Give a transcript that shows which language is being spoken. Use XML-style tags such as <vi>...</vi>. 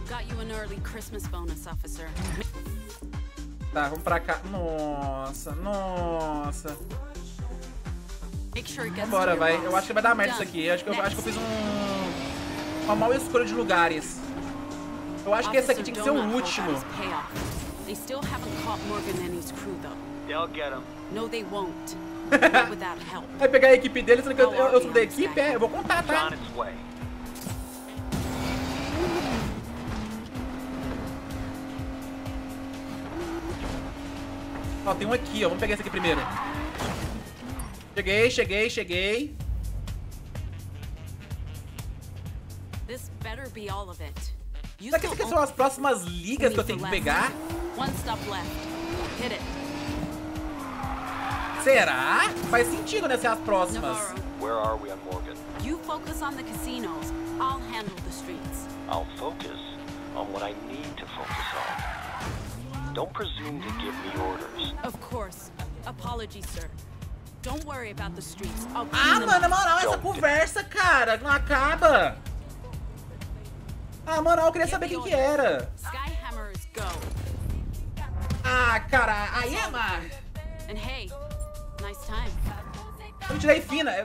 <en>Got you an early Christmas bonus, officer.</en> <pt>Tá, vamos pra cá. Nossa, nossa.</pt> <en>Make sure it gets.</en> <pt>Vambora, vai. Eu acho que vai dar merda isso aqui. Eu acho que eu fiz uma mal escolha de lugares. Eu acho que esse aqui tinha que ser o último.</pt> <en>They still haven't caught Morgan and his crew, though. They'll get him. No, they won't. Without help.</en> <pt>Vai pegar a equipe dele, sendo que eu sou da equipe? É, eu vou contar, tá? Ó, tem um aqui, ó. Vamos pegar esse aqui primeiro. Cheguei.</pt> <en>This better be all of it.</en> <pt>Será que essas são as próximas ligas que eu tenho que pegar?</pt> <en>One stop left. Hit it.</en> <pt>Será? Faz sentido, né, ser as próximas.</pt> <en>Where are we on Morgan? You focus on the casinos. I'll handle the streets. I'll focus on what I need to focus on. Don't presume to give me orders. Of course. Apologies, sir. Don't worry about the streets. I'll clean them.</en> <pt>Mano, na moral, essa conversa, cara, não acaba. Ah, mano, eu queria saber quem que era.</pt> <en>Skyhammers, go.</en> <pt>Ah, cara, aí é,</pt> <en>and hey, nice time.</en> <pt>Eu tirei fina.</pt>